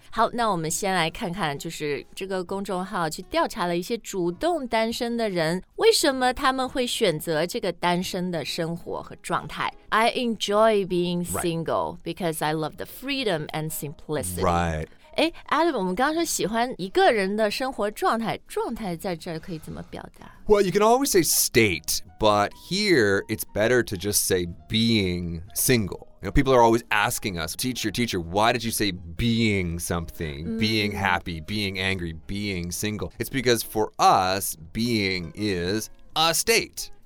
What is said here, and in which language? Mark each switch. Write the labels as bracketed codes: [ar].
[zh] 好，那我们先来看看，就是这个公众号去调查了一些主动单身的人，为什么他们会选择这个单身的生活和状态。 [en] I enjoy being single because I love the freedom and simplicity. Right. [zh] 哎 ，Adam， 我们刚刚说喜欢一个人的生活状态，状态在这儿可以怎么表达 [en] ？Well, you can always say state, but here it's better to just say being single. You know, people are always asking us, teacher, teacher, why did you say being something, being happy, being angry, being single? It's because for us, being is a state.